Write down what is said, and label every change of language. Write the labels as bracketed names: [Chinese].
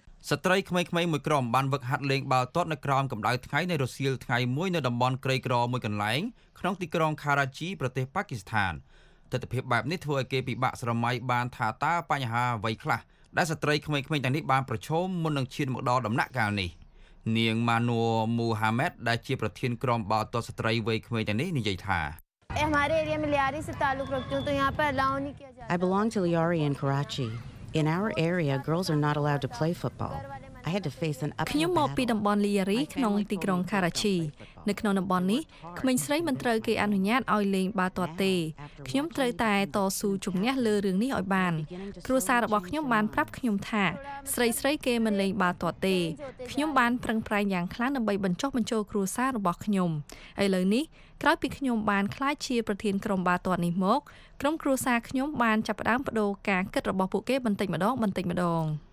[Khmer] ស្ត្រីក្មេងៗមួយក្រុមបានវឹកហាត់លេងបាល់ទាត់នៅក្រោមកម្ដៅថ្ងៃនៃរសៀលថ្ងៃមួយនៅតំបន់ក្រីក្រមួយកន្លែងក្នុងទីក្រុងខារ៉ាជីប្រទេសប៉ាគីស្ថានទិដ្ឋភាពបែបនេះធ្វើឲ្យគេពិបាកស្រមៃបានថាតើបញ្ហាអ្វីខ្លះដែលស្ត្រីក្មេងៗទាំងនេះបានប្រឈមមុននឹងឈានមកដល់ដំណាក់កាលនេះនាងម៉ានូមូហាម៉េតដែលជាប្រធានក្រុមបាល់ទាត់ស្ត្រីវ័យក្មេងទាំងនេះនិយាយថា [English] I belong to Liari in Karachi. In our area, girls are not allowed to play football. I had to face an uphill [Khmer] ខ្ញុំមកពីតំបន់លីរីក្នុងទីក្រុងខារ៉ាឈីនៅក្នុងតំបន់នេះក្មេងស្រីមិនត្រូវគេអនុញ្ញាតឲ្យលេងបាល់ទាត់ទេខ្ញុំត្រូវតែតស៊ូជំនះលើរឿងនេះឲ្យបានគ្រួសាររបស់ខ្ញុំបានប្រាប់ខ្ញុំថាស្រីស្រីគេមិនលេងបាល់ទាត់ទេខ្ញុំបានប្រឹងប្រែងយ៉ាងខ្លាំងដើម្បីបញ្ចុះបញ្ចូលគ្រួសាររបស់ខ្ញុំឥឡូវនេះក្រោយពីខ្ញុំបានក្លាយជាប្រធានក្រុមបាល់ទាត់នេះមកក្រុមគ្រួសារខ្ញុំបានចាប់ផ្ដើមបដូរការគិតរបស់ពួកគេបន្តិចម្ដងបន្តិចម្ដង